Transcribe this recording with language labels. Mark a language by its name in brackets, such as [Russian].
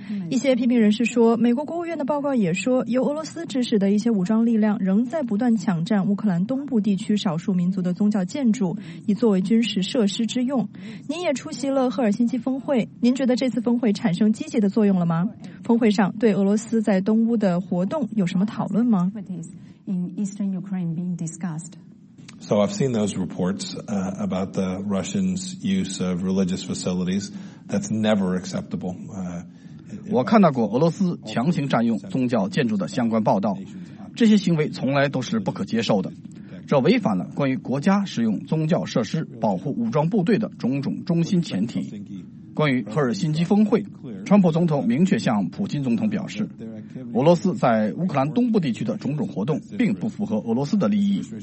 [Chinese] 一些批评人士说，美国国务院的报告也说，由俄罗斯指使的一些武装力量仍在不断抢占乌克兰东部地区少数民族的宗教建筑，以作为军事设施之用。您也出席了赫尔辛基峰会，您觉得这次峰会产生积极的作用了吗？峰会上对俄罗斯在东乌的活动有什么讨论吗？ [English] So I've seen those reports about the Russians' use of religious facilities. That's never acceptable. [Chinese] 我看到过俄罗斯强行占用宗教建筑的相关报道，这些行为从来都是不可接受的，这违反了关于国家使用宗教设施保护武装部队的种种中心前提。关于赫尔辛基峰会，川普总统明确向普京总统表示，俄罗斯在乌克兰东部地区的种种活动并不符合俄罗斯的利益。